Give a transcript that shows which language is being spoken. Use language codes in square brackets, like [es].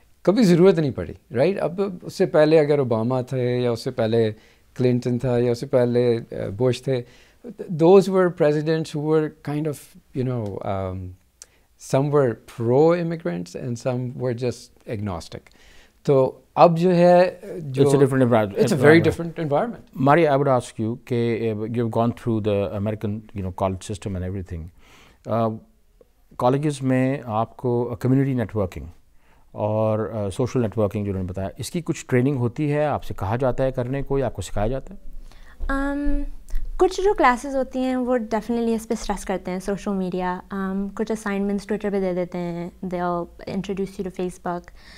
[ur] کبھی ضرورت نہیں پڑی, رائٹ. اب اس سے پہلے اگر اوباما تھے, یا اس سے پہلے کلنٹن تھا, یا اس سے پہلے بوش تھے, [en] Those were presidents who were kind of, you know, some were pro immigrants and some were just agnostic. [ur] تو اب جو ہے, [en] It's a different environment, it's a very different environment. ماری, I would ask you کہ you have gone through the American, you know, college system and every thing. [ur] Colleges میں آپ کو community networking اور سوشل نیٹورکنگ جو انہوں نے بتایا, اس کی کچھ ٹریننگ ہوتی ہے؟ آپ سے کہا جاتا ہے کرنے کو یا آپ کو سکھایا جاتا ہے؟ کچھ جو کلاسز ہوتی ہیں وہ ڈیفینیٹلی اس پہ اسٹریس کرتے ہیں, سوشل میڈیا. کچھ اسائنمنٹس ٹویٹر پہ دے دیتے ہیں, [en] They all introduce you to Facebook.